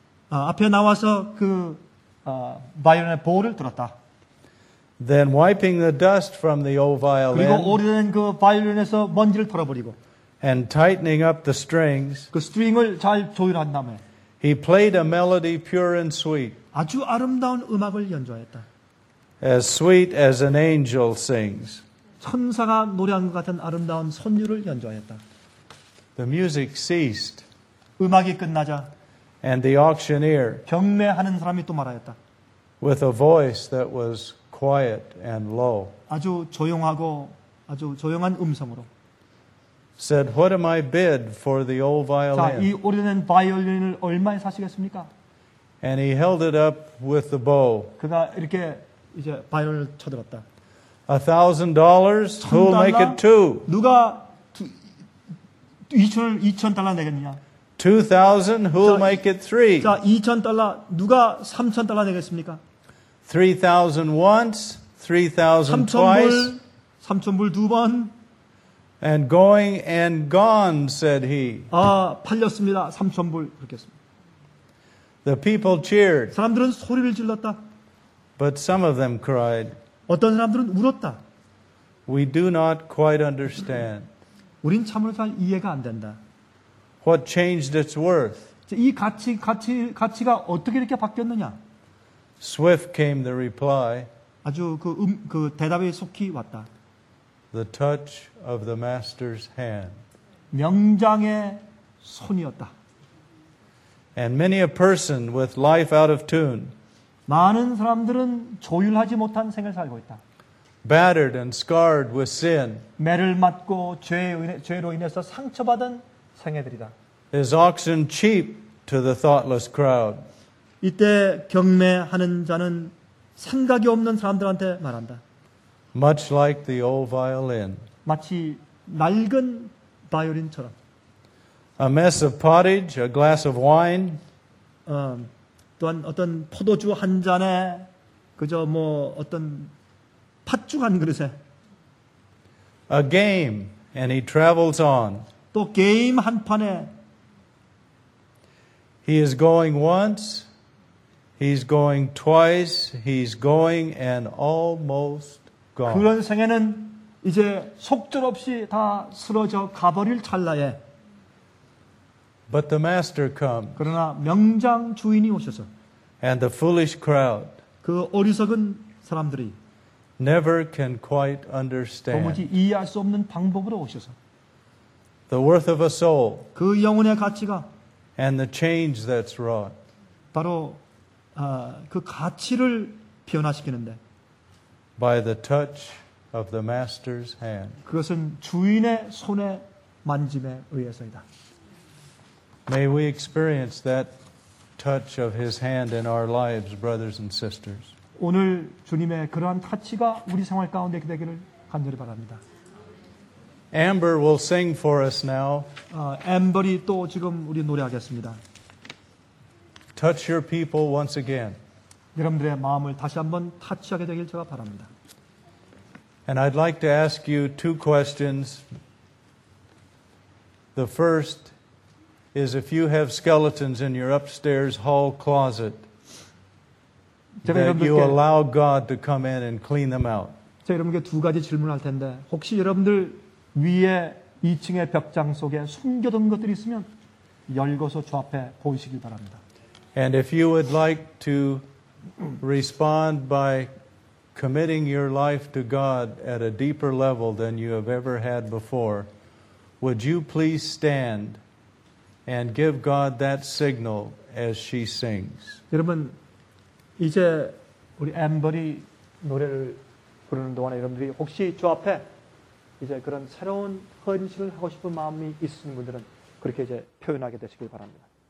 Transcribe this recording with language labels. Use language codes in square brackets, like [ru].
[ko] 앞에 나와서 그, 바이올린의 보호를 들었다. [en] Then wiping the dust from the old violin. [ko] 그리고 오래된 그 바이올린에서 먼지를 털어버리고. [en] And tightening up the strings. [ko] 그 스트링을 잘 조율한 다음에. [en] He played a melody pure and sweet. [ko] 아주 아름다운 음악을 연주하였다. [en] As sweet as an angel sings. [ko] 천사가 노래한 것 같은 아름다운 선율을 연주하였다. [en] The music ceased. [ko] 음악이 끝나자. [en] And the auctioneer [ko] 경매하는 사람이 또 말하였다. [en] with a voice that was quiet and low. [ko] 아주 조용하고 아주 조용한 음성으로. [en] Said, "What am I bid for the old violin?" [ko] 자, 이 오래된 바이올린을 얼마에 사시겠습니까? [en] And he held it up with the bow. [ko] 그가 이렇게 이제 바이올린을 쳐들었다. [en] $1,000. Who'll make it two? [ko] 누가 2,000달러 내겠느냐? [en] $2,000. Who'll make it three? [ko] 자, 2,000달러 누가 3,000달러 내겠습니까? [en] $3,000 once, $3,000 twice. [ko] 3,000불 두 번. [en] And going and gone, said he. [ko] 아, 팔렸습니다. 3,000불 그렇게 했습니다. [en] The people cheered. [ko] 사람들은 소리를 질렀다. [en] But some of them cried. [ko] 어떤 사람들은 울었다. [en] We do not quite understand. [ko] 우린 참으로 잘 이해가 안 된다. [en] What changed its worth? [ko] 이 가치가 어떻게 이렇게 바뀌었느냐? [en] Swift came the reply. [ko] 아주 그 대답이 속히 왔다. [en] The touch of the master's hand. [ko] 명장의 손이었다. [en] And many a person with life out of tune. [ko] 많은 사람들은 조율하지 못한 생을 살고 있다. [en] Battered and scarred with sin. [ko] 매를 맞고 죄로 인해서 상처받은 생애들이다. [en] Is oxen cheap to the thoughtless crowd? [ko] 이때 경매하는 자는 생각이 없는 사람들한테 말한다. [en] Much like the old violin. [ko] 마치 낡은 바이올린처럼. [en] A mess of pottage, a glass of wine. [ko] 또한 어떤 포도주 한 잔에 그저 뭐 어떤 팥죽 한 그릇에. [en] A game, and he travels on. [ko] 또 게임 한 판에. [en] He is going once. He's going twice. He's going and almost gone. [ko] 그런 생애는 이제 속절 없이 다 쓰러져 가버릴 찰나에. [en] But the master come. [ko] 그러나 명장 주인이 오셔서. [en] And the foolish crowd. [ko] 그 어리석은 사람들이. [en] Never can quite understand. [ko] 도무지 이해할 수 없는 방법으로 오셔서. [en] The worth of a soul. [ko] 그 영혼의 가치가. [en] And the change that's wrought. [ko] 바로 그 가치를 변화시키는데. [en] By the touch of the master's hand. [ko] 그것은 주인의 손의 만짐에 의해서이다. [en] May we experience that touch of His hand in our lives, brothers and sisters. [ko] 오늘 주님의 그러한 터치가 우리 생활 가운데 되기를 간절히 바랍니다. [en] Amber will sing for us now. [ko] 앰버리 또 지금 우리 노래하겠습니다. [en] Touch your people once again. [ko] 여러분들의 마음을 다시 한번 터치하게 되길 제가 바랍니다. [en] And I'd like to ask you two questions. The first is if you have skeletons in your upstairs hall closet, that you allow God to come in and clean them out. [ko] 제가 여러분께 두 가지 질문을 할 텐데, 혹시 여러분들 위에 2층의 벽장 속에 숨겨둔 것들이 있으면 열고서 저 앞에 보이시길 바랍니다. [en] And if you would like to respond by committing your life to God at a deeper level than you have ever had before, would you please stand and give God that signal as she sings. [ko] 여러분, 이제 우리 앰버리 노래를 부르는 동안에 여러분들이 혹시 저 앞에 이제 그런 새로운 헌신을 하고 싶은 마음이 있으신 분들은 그렇게 이제 표현하게 되시길 바랍니다.